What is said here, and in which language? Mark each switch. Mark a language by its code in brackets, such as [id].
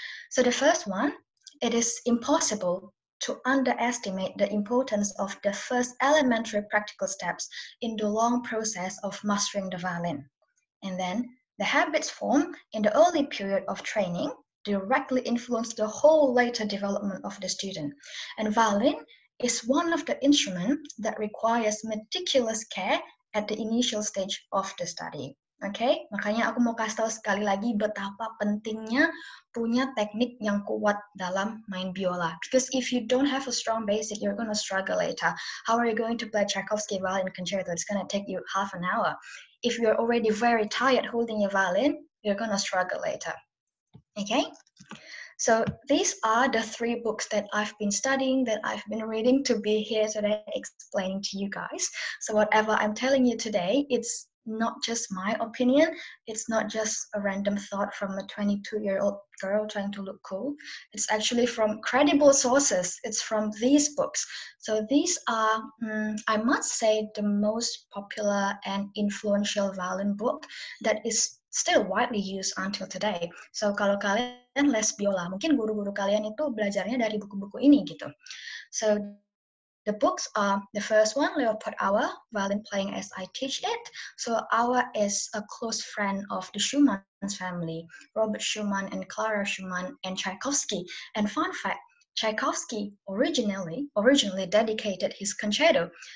[en] So the first one, it is impossible to underestimate the importance of the first elementary practical steps in the long process of mastering the violin. And then the habits formed in the early period of training directly influence the whole later development of the student. And violin is one of the instruments that requires meticulous care at the initial stage of the study. [id] Okay, makanya aku mau kasih tahu sekali lagi betapa pentingnya punya teknik yang kuat dalam main biola. [en] Because if you don't have a strong basic, you're going to struggle later. How are you going to play Tchaikovsky violin concerto? It's going to take you half an hour. If you're already very tired holding your violin, you're going to struggle later. Okay, so these are the 3 books that I've been studying, that I've been reading to be here today explaining to you guys. So whatever I'm telling you today, it's not just my opinion, it's not just a random thought from a 22-year-old girl trying to look cool. It's actually from credible sources. It's from these books. So these are, I must say, the most popular and influential violin book that is still widely used until today. [id] So kalau kalian les biola, mungkin guru-guru kalian itu belajarnya dari buku-buku ini gitu. [en] So the books are the first one, Leopold Auer, Violin Playing as I Teach It. So Auer is a close friend of the Schumann's family, Robert Schumann and Clara Schumann and Tchaikovsky. And fun fact, Tchaikovsky originally dedicated his concerto.